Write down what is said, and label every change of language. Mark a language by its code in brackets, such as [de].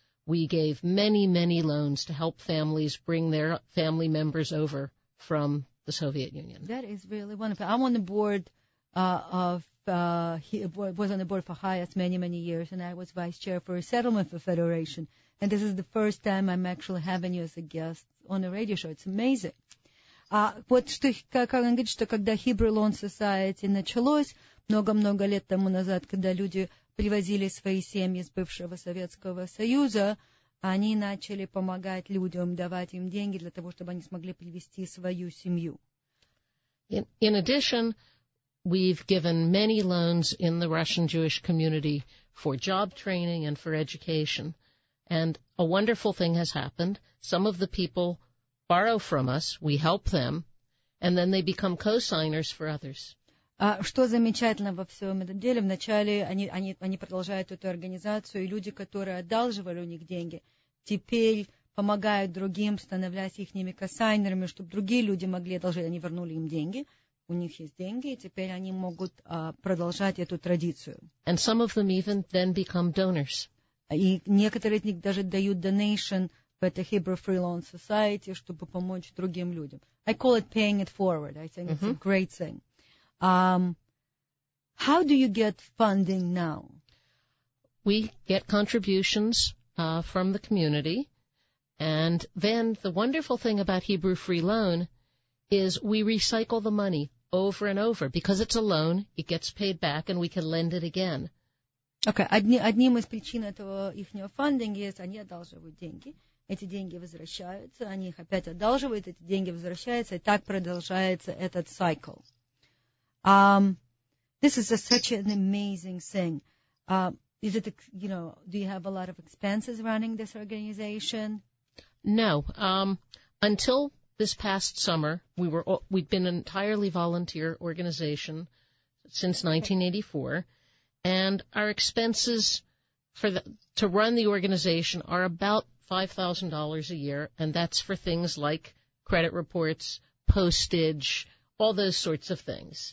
[en] We gave many, many loans to help families bring their family members over from the Soviet Union. That is really wonderful. I'm on the board was on the board for Hyatt many, many years, and I was vice chair for a settlement for Federation. And this is the first time I'm actually having you as a guest on a radio show. It's amazing. [ru] Вот что, как он говорит, что когда Hebrew Loan Society началось много-много лет тому назад, когда люди привозили свои семьи с бывшего Советского Союза, они начали помогать людям, давать им деньги для того, чтобы они смогли привести свою семью. [en] In addition, we've given many loans in the Russian Jewish community for job training and for education. And a wonderful thing has happened. Some of the people borrow from us, we help them, and then they become co-signers for others. [ru] Что замечательно во всем этом деле, вначале они продолжают эту организацию, и люди, которые одалживали у них деньги, теперь помогают другим, становясь ихними косайнерами, чтобы другие люди могли одолжить, они вернули им деньги, у них есть деньги, и теперь они могут продолжать эту традицию. [en] And some of them even then become donors. [ru] И некоторые из них даже дают donation в это Hebrew Free Loan Society, чтобы помочь другим людям. [en] I call it paying it forward. I think it's a great thing. How do you get funding now? We get contributions from the community. And then the wonderful thing about Hebrew Free Loan is we recycle the money over and over. Because it's a loan, it gets paid back and we can lend it again. Okay. [ru] Одним из причин этого ихнего фандинга есть, они одалживают деньги. Эти деньги возвращаются, они их опять одалживают, эти деньги возвращаются, и так продолжается этот цикл. [en] This is such an amazing thing. Is it, you know, do you have a lot of expenses running this organization? No. Until this past summer, we'd been an entirely volunteer organization since 1984, and our expenses to run the organization are about $5,000 a year, and that's for things like credit reports, postage, all those sorts of things.